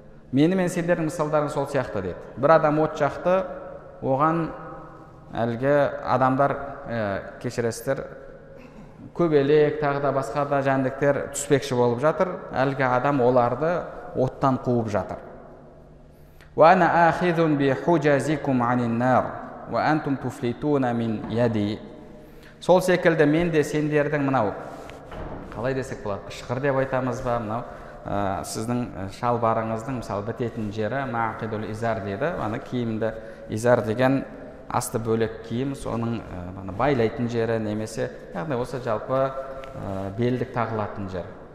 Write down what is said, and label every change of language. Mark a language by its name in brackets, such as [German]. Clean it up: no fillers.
[Kazakh] Мені мен сендердің мысалдарың сол сияқты деді. Бір адам от жақты, оған әлгі адамдар кешірестер көбелек тағы да басқа да жәндіктер түспекші болып жатыр. Әлгі адам оларды оттан қуып жатыр. [Arabic] وانا اخذ بحجازكم عن النار وانتم تفلتون من يدي. [Kazakh] Сол секілді мен де сендердің мынау қалай десек болады? Қышқыр деп айтамыз ба? Мынау сіздің шалбарыңыздың мысалы бітетін жері [Arabic] мақидул изар [Kazakh] дейді. Мына киімді изар деген асты бөлек киім, соның мына байлайтын жері немесе яғни осы жалпы белдік тағылатын жер.